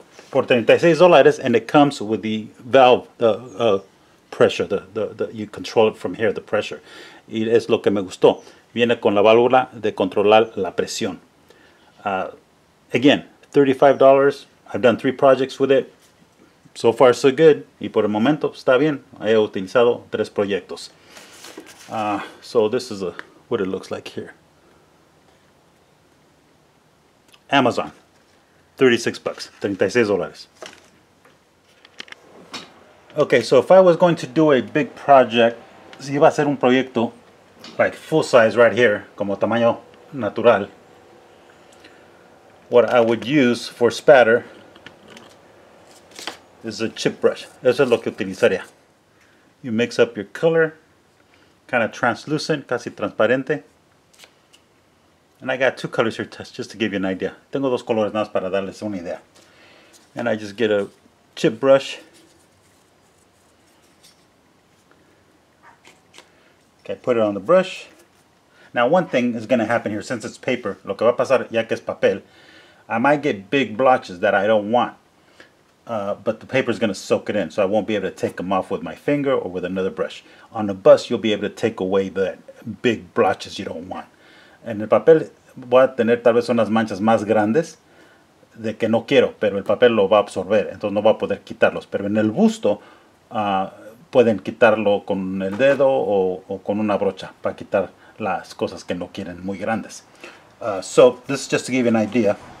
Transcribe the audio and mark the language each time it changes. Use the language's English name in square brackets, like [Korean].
[English] For $36, and it comes with the valve, the pressure, the you control it from here, the pressure. [Spanish] Y es lo que me gustó. Viene con la válvula de controlar la presión. [English] Again, $35. I've done three projects with it. So far, so good. [Spanish] Y por el momento, está bien. He utilizado tres proyectos. [English] So this is what it looks like here. Amazon. $36. $36. Okay, so if I was going to do a big project, [Spanish] si iba a hacer un proyecto [English] like full size right here, [Spanish] como tamaño natural, [English] what I would use for spatter is a chip brush. [Spanish] Eso es lo que utilizaría. [English] You mix up your color, kind of translucent, [Spanish] casi transparente. [English] And I got two colors here to test, just to give you an idea. [Spanish] Tengo dos colores más para darles una idea. [English] And I just get a chip brush. Okay, put it on the brush. Now one thing is going to happen here, since it's paper, [Spanish] lo que va a pasar ya que es papel, [English] I might get big blotches that I don't want. But the paper is going to soak it in, so I won't be able to take them off with my finger or with another brush. On the bus, you'll be able to take away the big blotches you don't want. [Spanish] En el papel voy a tener tal vez unas manchas más grandes de que no quiero, pero el papel lo va a absorber, entonces no va a poder quitarlos. Pero en el busto pueden quitarlo con el dedo o con una brocha para quitar las cosas que no quieren muy grandes. [English] So, this is just to give you an idea.